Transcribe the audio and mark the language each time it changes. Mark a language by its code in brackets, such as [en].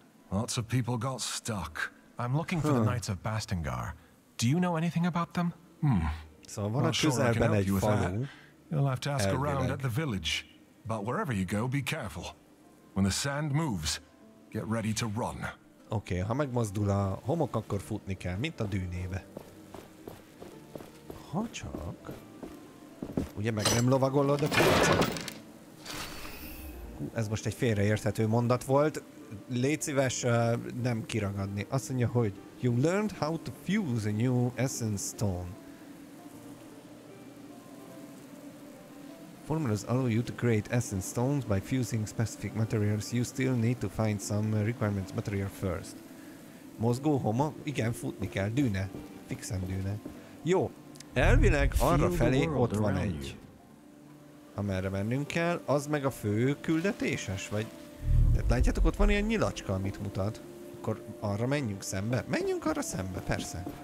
[en] Lots of people got stuck. I'm looking for the Knights of Bastengar. Do you know anything about them? So I'm not sure I can help you with that. You'll have to ask around at the village. But wherever you go, be careful. When the sand moves, get ready to run. [hu] Okay, ha megmozdul a homok, akkor futni kell, mint a dűnébe. Ha csak... Ugye meg nem lovagolod a kurcot? Ez most egy félreérthető mondat volt. Légy szíves, nem kiragadni. Azt mondja, hogy [en] you learned how to fuse a new essence stone. Formulas allow you to create essence stones by fusing specific materials. You still need to find some requirements material first. [hu] Mozgó homa? Igen, futni kell. Dűne. Fixen dűne. Jó. Elvileg arra felé ott van egy. Amerre mennünk kell, az meg a fő küldetéses, vagy... Tehát látjátok, ott van ilyen nyilacska, amit mutat. Akkor arra menjünk szembe? Menjünk arra szembe, persze.